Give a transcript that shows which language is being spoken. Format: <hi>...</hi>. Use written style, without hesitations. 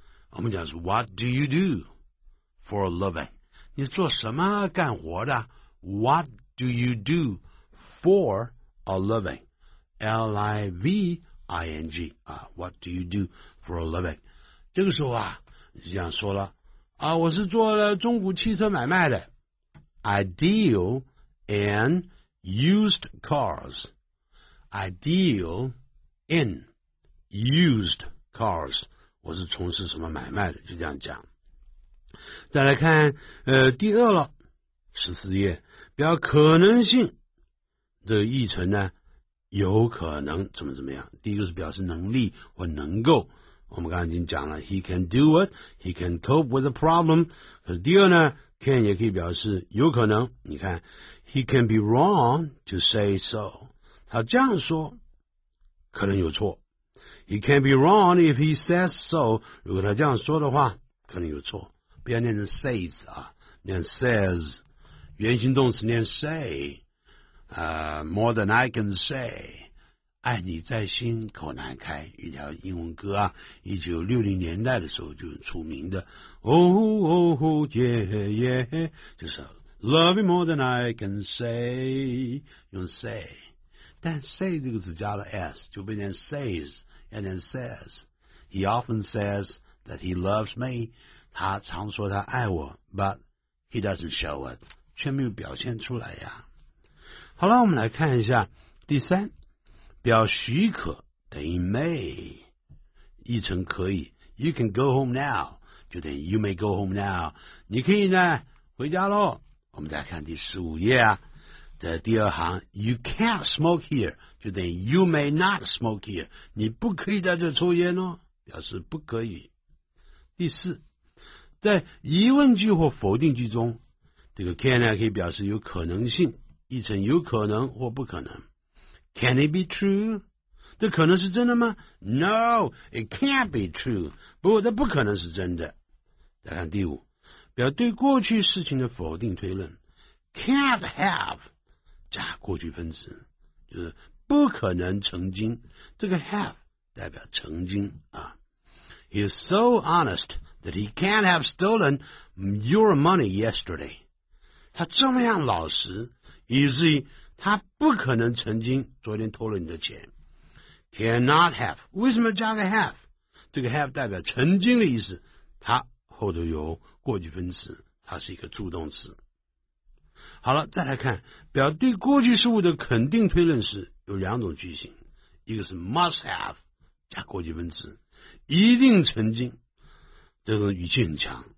<zh>我们讲是</zh> <en>What do you do for a living？</en> <zh>你做什么干活的？</zh> <en>What do you do for a living？ L-I-V-I-N-G、What do you do for a living？</en> <zh>这个时候啊，就这样说了啊，我是做了中古汽车买卖的。</zh> <en>I deal in used cars. I deal in used cars.</en> <zh>我是从事什么买卖的，就这样讲。再来看第二了，14页，表可能性的译成呢，有可能怎么怎么样。第一个是表示能力或能够。我们刚刚已经讲了</zh> <en>，he can do it, he can cope with the problem。</en> <zh>可是第二呢 ，can 也可以表示有可能。你看</zh> <en>，he can be wrong to say so，</en> <zh>他这样说可能有错。</zh> <en>He can be wrong if he says so，</en> <zh>如果他这样说的话，可能有错。不要念成 says 啊，念 says， 原形动词念 say，</zh> <en>more than I can say。</en> <zh>爱你在心口难开，一条英文歌啊，1960年代的时候就出名的。</zh> <en>Oh, oh, oh, yeah, yeah，</en> <zh>就是</zh> <en>Love you more than I can say， 用 say， 但 say 这个字加了 s，</en> <zh>就变成</zh> <en>says， and then says。 He often says that he loves me，</en> <zh>他常说他爱我</zh> <en>，but he doesn't show it，</en> <zh>却没有表现出来呀。好了，我们来看一下第三。表许可等于</zh> <en>may，</en> <zh>译成可以</zh> <en>，you can go home now，</en> <zh>就等于</zh> <en>you may go home now，</en> <zh>你可以呢回家喽。我们再看第15页啊的第二行 ，</zh> <en>you can't smoke here，</en> <zh>就等于</zh> <en>you may not smoke here，</en> <zh>你不可以在这抽烟哦，表示不可以。第四，在疑问句或否定句中，这个 can 呢可以表示有可能性，译成有可能或不可能。</zh> <en>Can it be true?</en> <zh>这可能是真的吗？</zh> <en>No, it can't be true.</en> <zh>不过这不可能是真的。再看第五，表对过去事情的否定推论。 Can't have, 加过去分词，就是不可能曾经。这个 have 代表曾经啊。</zh> <en>He is so honest that he can't have stolen your money yesterday.</en> <zh>他这么样老实，以至于他不可能曾经昨天偷了你的钱。</zh> <en>Cannot have，</en> <zh>为什么加个 have？这个 have 代表曾经的意思，它后头有过去分词，它是一个助动词。好了，再来看表对过去事物的肯定推论时，有两种句型，一个是 must have 加过去分词，一定曾经，这种语气很强。</zh>